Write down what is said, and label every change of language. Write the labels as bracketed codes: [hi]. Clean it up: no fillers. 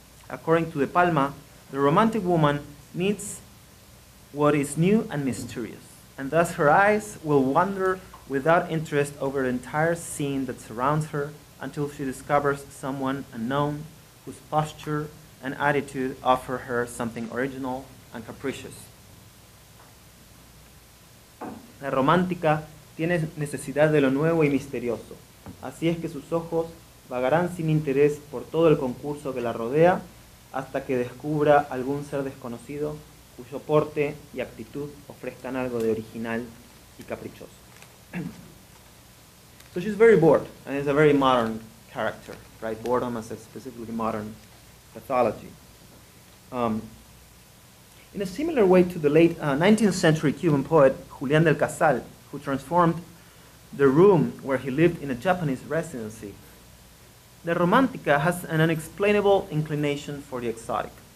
[en] According to De Palma, the romantic woman needs what is new and mysterious, and thus her eyes will wander without interest over the entire scene that surrounds her until she discovers someone unknown whose posture and attitude offer her something original and capricious. [es] La romántica tiene necesidad de lo nuevo y misterioso. Así es que sus ojos vagarán sin interés por todo el concurso que la rodea hasta que descubra algún ser desconocido cuyo porte y actitud ofrezcan algo de original y caprichoso. [en] So she's very bored, and it's a very modern character, right? Boredom as a specifically modern pathology. In a similar way to the late 19th century Cuban poet Julián del Casal, who transformed the room where he lived in a Japanese residency, the romántica has an unexplainable inclination for the exotic.